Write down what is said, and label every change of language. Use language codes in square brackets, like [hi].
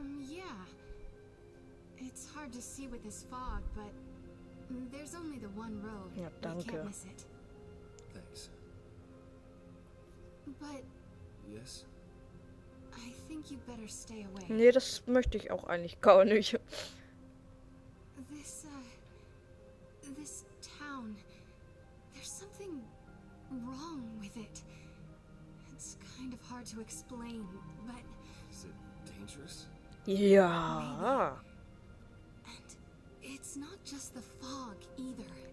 [en] Yeah. It's hard to see with this fog, but... There's only the one road. [de] Ja, danke. [en] We can't miss it. Thanks. But... Yes? I think you better stay away. [de] Nee, das möchte ich auch eigentlich gar nicht. [en] This, this town... There's something wrong with it. It's kind of hard to explain, but... Is it dangerous? [de] Ja. [en] It's not just the fog either.